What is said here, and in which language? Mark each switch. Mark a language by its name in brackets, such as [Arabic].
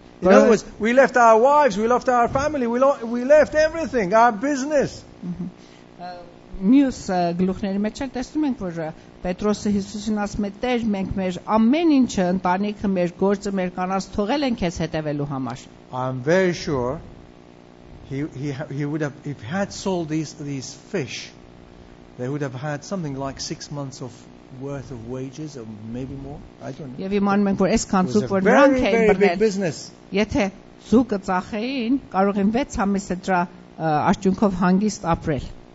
[English] In other words, we left our wives, we left our family, we left everything, our business. [Armenian] Մյուս գլուխների մեջ էլ տեսնում ենք, որ Պետրոսը Հիսուսին ասում է, Տեր, մենք մեր ամեն ինչը, ընտանիքը, մեր գործը, մեր կանանց թողել ենք քեզ հետևելու համար. [English] I'm very sure he would have sold these fish, they would have had something like 6 months of worth of wages or maybe more, I don't know. [Armenian] Եվ իման մենք որ այսքան ծուկ որ նրանք էին բռնել, եթե ծուկը ծախեին, կարող են 6 ամիս դրա արդյունքով հանգիստ ապրել.